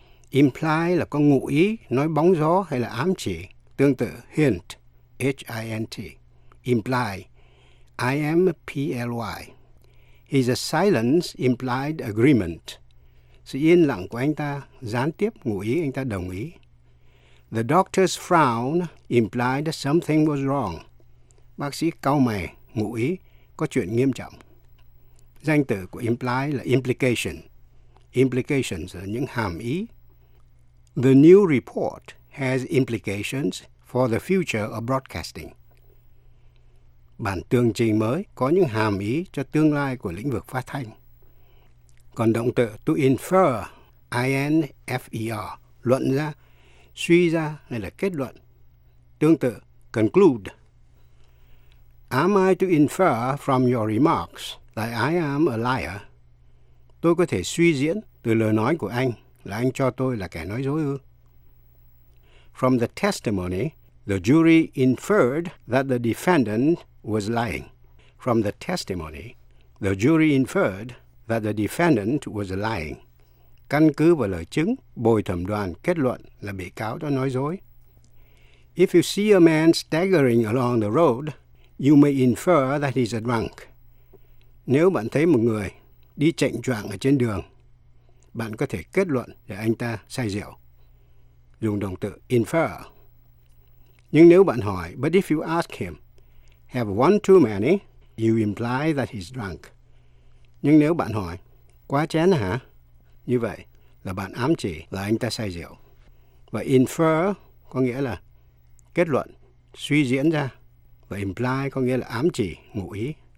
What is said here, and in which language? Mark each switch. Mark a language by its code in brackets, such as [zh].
[vi] Imply là có ngụ ý, nói bóng gió hay là ám chỉ, tương tự hint, H-I-N-T. [en] Imply, I-M-P-L-Y. His silence implied agreement. [vi] Sự yên lặng của anh ta gián tiếp ngụ ý anh ta đồng ý. [en] The doctor's frown implied that something was wrong. [vi] Bác sĩ cau mày, ngụ ý, có chuyện nghiêm trọng. Danh từ của imply là implication. Implications là những hàm ý. [en] The new report has implications for the future of broadcasting. [vi] Bản tường trình mới có những hàm ý cho tương lai của lĩnh vực phát thanh. Còn động từ to infer, I-N-F-E-R, luận ra, suy ra hay là kết luận. Tương tự, conclude. [en] Am I to infer from your remarks that I am a liar? [vi] Tôi có thể suy diễn từ lời nói của anh là anh cho tôi là kẻ nói dối ư? [en] From the testimony, the jury inferred that the defendant was lying. From the testimony, the jury inferred that the defendant was lying. [vi] Căn cứ vào lời chứng, bồi thẩm đoàn kết luận là bị cáo đã nói dối. [en] If you see a man staggering along the road, you may infer that he's a drunk. [vi] Nếu bạn thấy một người đi chệnh choạng ở trên đường, bạn có thể kết luận là anh ta say rượu. Dùng động từ infer. Nhưng nếu bạn hỏi, [en] but if you ask him, have one too many, you imply that he's drunk. [vi] Nhưng nếu bạn hỏi, quá chén hả? Như vậy là bạn ám chỉ là anh ta say rượu. Và infer có nghĩa là kết luận, suy diễn ra. Và imply có nghĩa là ám chỉ, ngụ ý.